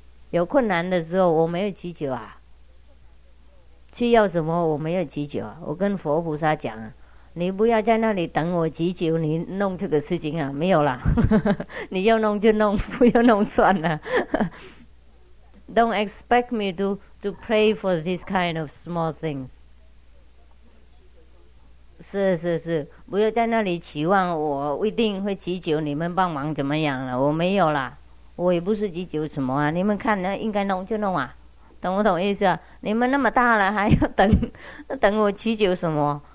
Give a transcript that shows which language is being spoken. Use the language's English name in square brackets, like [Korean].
[Chinese] 有困难的时候我没有祈求啊，去要什么我没有祈求啊，我跟佛菩萨讲啊，你不要在那里等我祈求你弄这个事情啊，没有啦。你要弄就弄，不要弄算了。 [English] Don't expect me to pray for this kind of small things。 [Chinese] 是是是，不要在那里期望我一定会祈求你们帮忙怎么样了，我没有啦，我也不是祈求什么啊，你们看那应该弄就弄啊，懂不懂意思啊？你们那么大了还要等，那等我祈求什么？